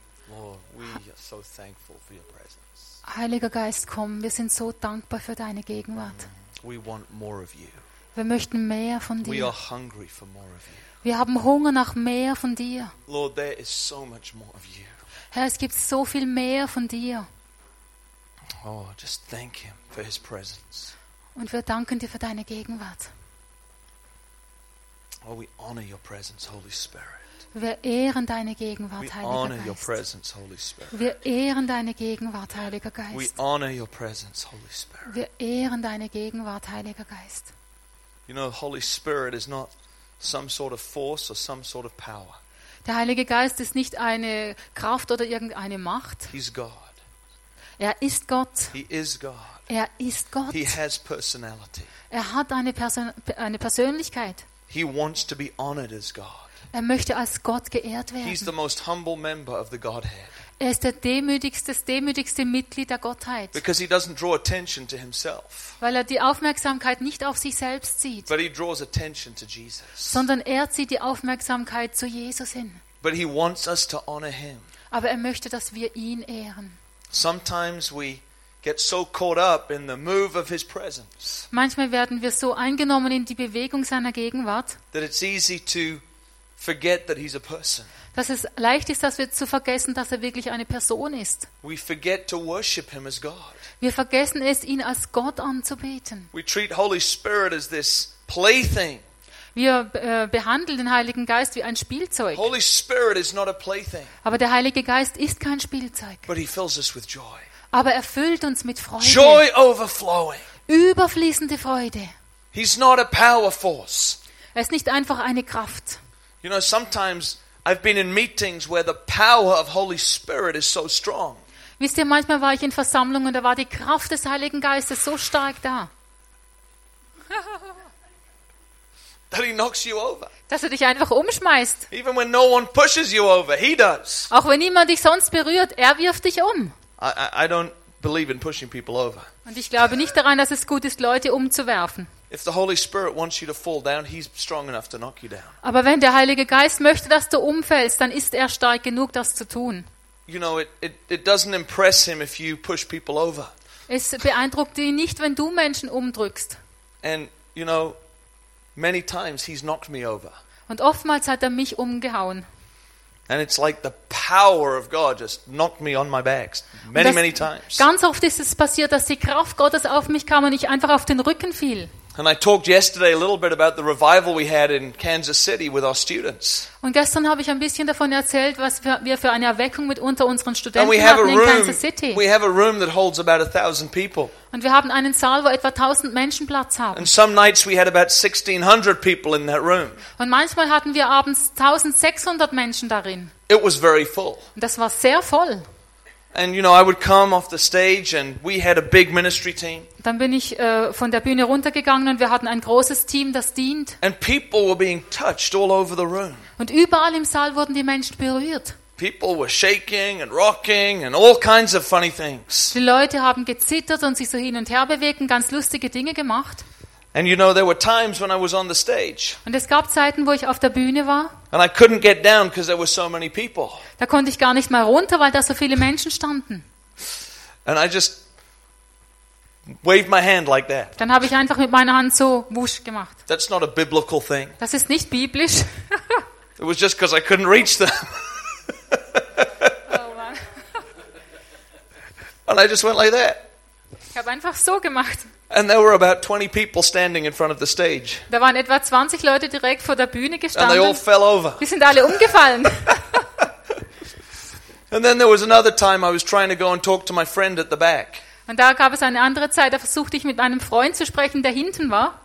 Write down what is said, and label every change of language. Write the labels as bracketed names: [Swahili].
[English] Lord, we are so thankful for your presence. [German] Heiliger Geist, komm. Wir sind so dankbar für deine Gegenwart. [English] We want more of you. [German] Wir möchten mehr von dir. [English] We are hungry for more of you. [German] Wir haben Hunger nach mehr von dir. [English] Lord, there is so much more of you. [German] Herr, es gibt so viel mehr von dir. [English] Oh, just thank him for his presence. [German] Und wir danken dir für deine Gegenwart. [English] Oh, we honor your presence, Holy Spirit. [German] Wir ehren deine Gegenwart, Heiliger Geist. [English] We honor your presence, Holy Spirit. [German] Wir ehren deine Gegenwart, Heiliger Geist. [English] We honor your presence, Holy Spirit. [German] Wir ehren deine Gegenwart, Heiliger Geist. [English] You know, Holy Spirit is not some sort of force or some sort of power. [German] Der Heilige Geist ist nicht eine Kraft oder irgendeine Macht. [English] He's God. [German] Er ist Gott. [English] He is God. [German] Er ist Gott. [English] He has personality. [German] Er hat eine Persönlichkeit. [English] He wants to be honored as God. [German] Er möchte als Gott geehrt werden. [English] He's the most humble member of the Godhead. [German] Er ist das demütigste Mitglied der Gottheit. [English] Because he doesn't draw attention to himself. [German] Weil er die Aufmerksamkeit nicht auf sich selbst zieht. [English] But he draws attention to Jesus. [German] Sondern er zieht die Aufmerksamkeit zu Jesus hin. [English] But he wants us to honor him. [German] Aber er möchte, dass wir ihn ehren. [English] Sometimes we get so caught up in the move of his presence. [German] Manchmal werden wir so eingenommen in die Bewegung seiner Gegenwart. [English] That it's easy to forget that he's a person. [German] Dass es leicht ist, dass wir zu vergessen, dass er wirklich eine Person ist. [English] We forget to worship him as God. [German] Wir vergessen es, ihn als Gott anzubeten. [English] We treat Holy Spirit as this plaything. [German] Wir behandeln den Heiligen Geist wie ein Spielzeug. [English] Holy Spirit is not a plaything. [German] Aber der Heilige Geist ist kein Spielzeug. [English] But he fills us with joy. [German] Aber er füllt uns mit Freude. [English] Joy overflowing. [German] Überfließende Freude. [English] He's not a power force. [German] Er ist nicht einfach eine Kraft. [English] You know, sometimes I've been in meetings where the power of Holy Spirit is so strong. [German] Wisst ihr, manchmal war ich in Versammlungen, da war die Kraft des Heiligen Geistes so stark da. [English] That he knocks you over. [German] Dass er dich einfach umschmeißt. [English] Even when no one pushes you over, he does. [German] Auch wenn niemand dich sonst berührt, er wirft dich um. [English] I don't believe in pushing people over. [German] Und ich glaube nicht daran, dass es gut ist, Leute umzuwerfen. [English] If the Holy Spirit wants you to fall down, he's strong enough to knock you down. [German] Aber wenn der Heilige Geist möchte, dass du umfällst, dann ist er stark genug, das zu tun. [English] You know, it doesn't impress him if you push people over. [German] Es beeindruckt ihn nicht, wenn du Menschen umdrückst. [English] And you know, many times he's knocked me over. [German] Und oftmals hat er mich umgehauen. [English] And it's like the power of God just knocked me on my back many, many times. [German] Ganz oft ist es passiert, dass die Kraft Gottes auf mich kam und ich einfach auf den Rücken fiel. [English] And I talked yesterday a little bit about the revival we had in Kansas City with our students. [German] Und gestern habe ich ein bisschen davon erzählt, was wir für eine Erweckung mit unter unseren Studenten hatten in Kansas City. [English] We have a room that holds about 1,000 people. [German] Und wir haben einen Saal, wo etwa 1,000 Menschen Platz haben. [English] And some nights we had about 1,600 people in that room. [German] Und manchmal hatten wir abends 1,600 Menschen darin. [English] It was very full. [German] Und das war sehr voll. [English] And you know, I would come off the stage and we had a big ministry team. [German] Dann bin ich von der Bühne runtergegangen und wir hatten ein großes Team, das dient. [English] And people were being touched all over the room. [German] Und überall im Saal wurden die Menschen berührt. [English] People were shaking and rocking and all kinds of funny things. [German] Die Leute haben gezittert und sich so hin und her bewegt und ganz lustige Dinge gemacht. [English] And you know, there were times when I was on the stage. [German] Und es gab Zeiten, wo ich auf der Bühne war. [English] And I couldn't get down because there were so many people. [German] Da konnte ich gar nicht mal runter, weil da so viele Menschen standen. [English] And I just waved my hand like that. [German] Dann habe ich einfach mit meiner Hand so wusch gemacht. [English] That's not a biblical thing. [German] Das ist nicht biblisch. [English] It was just because I couldn't reach them. Oh, and I just went like that. [German] Ich habe einfach so gemacht. [English] And there were about 20 people standing in front of the stage. [German] Da waren etwa 20 Leute direkt vor der Bühne gestanden. [English] And they all fell over. [German] Die sind alle umgefallen. [English] And then there was another time I was trying to go and talk to my friend at the back. [German] Und da gab es eine andere Zeit, da versuchte ich mit meinem Freund zu sprechen, der hinten war.